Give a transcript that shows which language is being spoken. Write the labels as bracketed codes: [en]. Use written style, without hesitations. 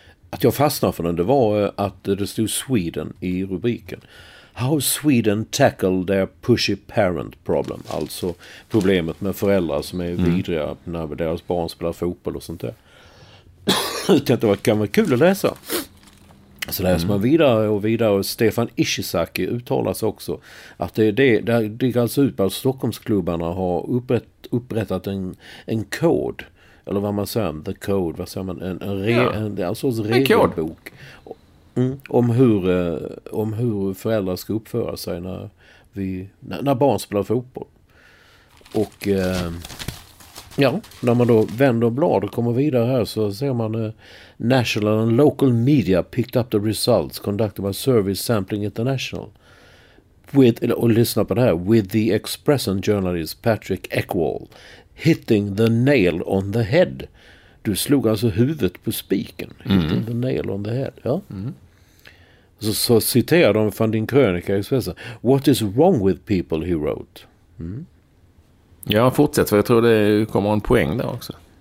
[sv] Att jag fastnade för den, det var att det stod Sweden i rubriken. [en] How Sweden tackle their pushy parent problem. [sv] Alltså problemet med föräldrar som är vidriga när deras barn spelar fotboll och sånt där. Jag tänkte, det kan vara kul att läsa. Så läser man vidare och vidare, och Stefan Ishizaki uttalas också. Att det gick alltså ut på att Stockholmsklubbarna har upprättat en kod. Eller vad man säger, the code, vad säger man, en regelbok om hur föräldrar ska uppföra sig när barn spelar fotboll. Och ja, när man då vänder blad och kommer vidare här, så ser man [en] National and Local Media picked up the results conducted by Service Sampling International [sv] och lyssna på det här, [en] with the Expressen journalist Patrick Ekwall hitting the nail on the head. [sv] Du slog alltså huvudet på spiken. [en] Hitting the nail on the head. [sv] Ja. Så citerar de från din krönika i Expressen. [en] What is wrong with people, he wrote. [sv] Ja, fortsätt, för jag tror det kommer en poäng där också.